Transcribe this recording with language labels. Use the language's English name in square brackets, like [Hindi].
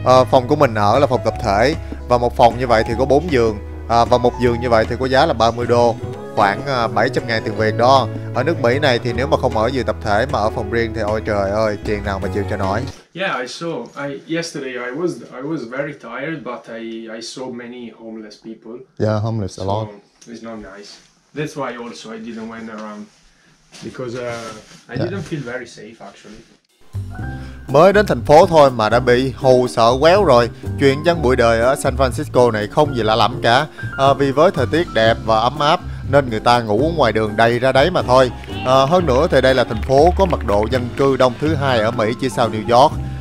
[Vietnamese] Phòng của mình ở là phòng tập thể. Và một phòng như vậy thì có 4 giường. Và một giường như vậy thì có giá là 30 đô, khoảng 700 ngàn tiền Việt đó. Ở nước Mỹ này thì nếu mà không ở giường tập thể mà ở phòng riêng thì ôi trời ơi, tiền nào mà chịu cho nổi. [English] Yeah, I saw. Yesterday I was very tired, but I saw many homeless people. Yeah, homeless a lot. So it's not nice. That's why also I didn't went around, because didn't feel very safe actually. [Vietnamese] Mới đến thành phố thôi mà đã bị hù sợ quéo rồi. Chuyện dân bụi đời ở San Francisco này không gì lạ lẫm cả. Vì với thời tiết đẹp và ấm áp nên người ta ngủ ngoài đường đầy ra đấy mà thôi. Hơn nữa thì đây là thành phố có mật độ dân cư đông thứ hai ở Mỹ, chỉ sau New York.